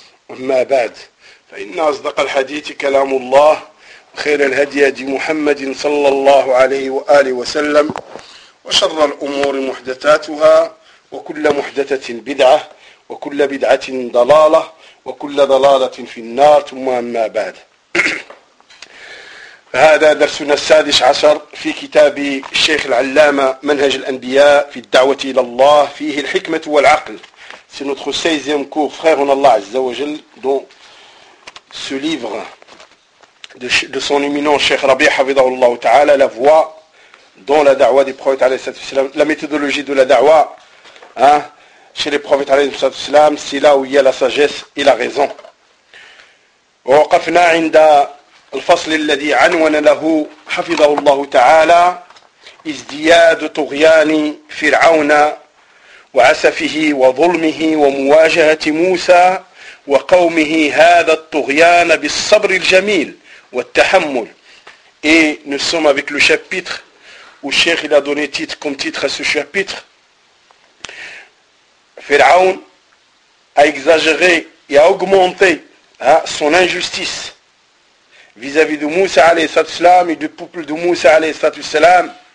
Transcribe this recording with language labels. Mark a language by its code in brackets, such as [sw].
[ar] أما بعد، فإن أصدق الحديث كلام الله، خير الهدي هدي محمد صلى الله عليه وآله وسلم، وشر الأمور محدثاتها، وكل محدثة بدعة، وكل بدعة ضلالة، وكل ضلالة في النار، ثم أما بعد. هذا درسنا 16 في كتاب الشيخ العلامة منهج الأنبياء في الدعوة إلى الله، فيه الحكمة والعقل. [fr] C'est notre 16e cours, frère en Allah Azza wa Jal, dans ce livre de son éminent Cheikh Rabi Hafidhahullah Ta'ala, la voie dans la da'wa des prophètes alayhi salatu wasalam, la méthodologie de la da'wa, chez les prophètes alayhi salatu wasalam, c'est là où il y a la sagesse et la raison. [ar] وقفنا عند الفصل الذي عنون له حفظه Ta'ala ازدياد طغيان فرعون وعسفه وظلمه ومواجهة موسى وقومه هذا الطغيان بالصبر الجميل والتحمل. [fr] Et nous sommes avec le chapitre où Cheikh il a donné titre comme titre à ce chapitre. Pharaon a exagéré et a augmenté son injustice vis-à-vis de Moussa alayhi salatu salam et du peuple de Moussa alayhi salatu salam.